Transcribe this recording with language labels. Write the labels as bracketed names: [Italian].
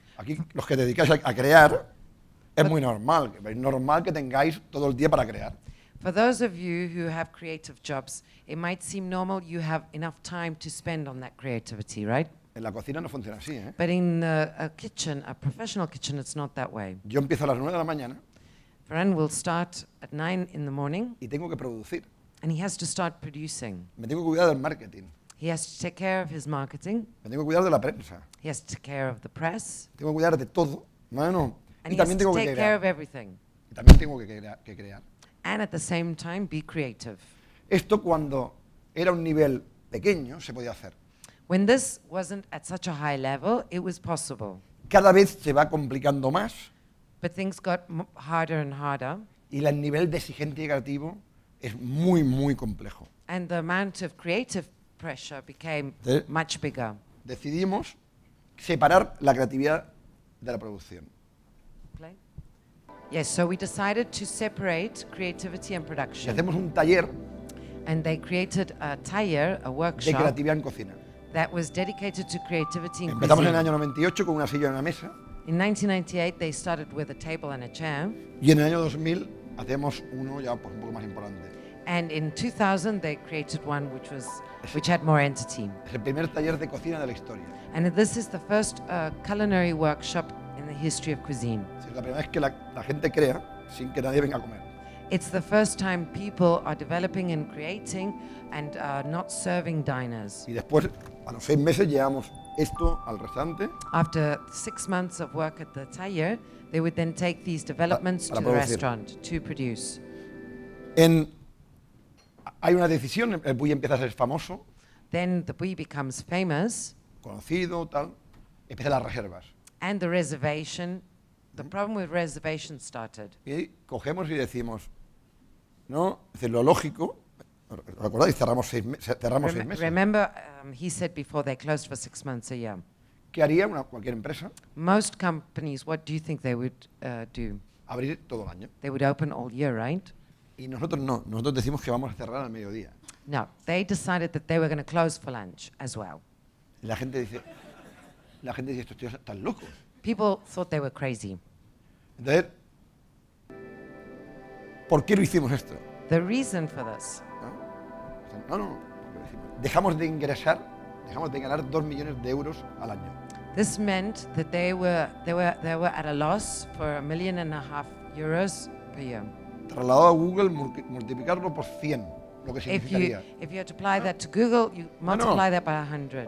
[Spanish] Aquí los que dedicáis a crear es muy normal. Es normal que tengáis todo el día para crear. [English] For those of you who have creative jobs, it might seem normal you have enough time to spend on that creativity, right? [Spanish] En la cocina no funciona así, ¿eh? [English] But in a kitchen, a professional kitchen, it's not that way. [Spanish] Yo empiezo a las 9 de la mañana. [English] Ferran will start at 9 in the morning. [Spanish] Y tengo que producir. [English] And he has to start producing. [Spanish] Me tengo que cuidar del marketing. [English] He has to take care of his marketing. [Spanish] Me tengo que cuidar de la prensa. [English] He has to take care of the press. [Spanish] Tengo que cuidar de todo. Bueno, [English] and [Spanish] y también tengo [English] to take [Spanish] que crear. [English] Care of everything. [Spanish] Y también tengo que crear. [English] And at the same time, be creative. [Spanish] Esto cuando era un nivel pequeño se podía hacer. [English] When this wasn't at such a high level, it was possible. [Spanish] Cada vez se va complicando más. [English] But things got harder and harder. [Spanish] Y el nivel de exigente y creativo es muy, muy complejo. [English] And the amount of creative pressure became much bigger. [Spanish] Decidimos separar la creatividad de la producción. [English] Play? Yes, so we decided to separate creativity and production. [Spanish] Y hacemos un taller. [English] And they created a taller, a workshop. [Spanish] De creatividad en cocina. [English] That was dedicated to creativity in [Spanish] Empezamos [English] cuisine. [Spanish] En el año 98 con una silla y una mesa. [English] In 1998 they started with a table and a chair. [Spanish] Y en el año 2000 hacemos uno ya pues, un poco más importante. [English] And in 2000 they created one which was which had more entity. [Spanish] Es el primer taller de cocina de la historia. [English] And this is the first culinary workshop in the history of cuisine. [Spanish] Es la primera vez que la gente crea sin que nadie venga a comer. [English] It's the first time people are developing and creating and not serving diners. [Spanish] Y después, a los seis meses, llevamos esto al restaurante. [English] After 6 months of work at the taller, they would then take these developments to [Spanish] producir. [English] The restaurant to produce. [Spanish] Hay una decisión, el Bulli empieza a ser famoso. [English] Then the Bulli becomes famous. [Spanish] Conocido, tal. Empiezan las reservas. [English] And the reservation. The problem with reservations started. [Spanish] Y cogemos y decimos, ¿no? Es decir, lo lógico, ¿recordáis? Cerramos seis meses. [English] Remember, he said before they closed for 6 months a year. [Spanish] ¿Qué haría cualquier empresa? [English] Most companies, what do you think they would do? [Spanish] Abrir todo el año. [English] They would open all year, right? [Spanish] Y nosotros no. Nosotros decimos que vamos a cerrar al mediodía. [English] No, they decided that they were going to close for lunch as well. [Spanish] La gente dice, estos tíos están locos. [English] People thought they were crazy. [Spanish] Entonces, ¿por qué lo hicimos esto? [English] The reason for this. [Spanish] No. Dejamos de ganar 2 millones de euros al año. [English] This meant that they were at a loss for 1.5 million euros per year. [Spanish] Trasladado a Google, multiplicarlo por 100, lo que significaría. [English] If you had to apply that to Google, you multiply that by 100.